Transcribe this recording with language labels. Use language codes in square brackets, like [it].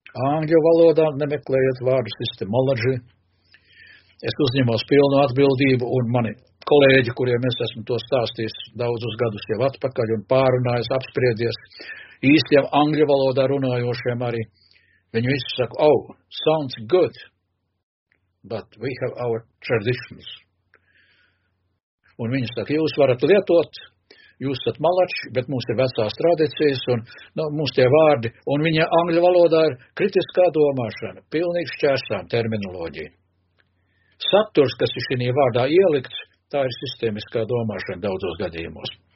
[lv] Angļu valodā nemeklējot vārdu sistemoloģi. Es uzņemos pilnu atbildību un mani kolēģi, kuriem es esmu to stāstījis daudzus gadus jau atpakaļ un pārunājis, apspriedies īstiem angļu valodā runājošiem arī. Viņi visi saka, [en] oh, sounds good, but we have our traditions. [lv] Un viņi saka, jūs varat lietot, jūs esat malači, bet mums ir vecās tradīcijas un nu, mums tie vārdi. Un viņa angļu valodā ir kritiskā domāšana, pilnīgi šķērsām terminoloģija. Saturs, kas ir šī vārdā ielikts, tā ir sistēmiskā domāšana daudzos gadījumos.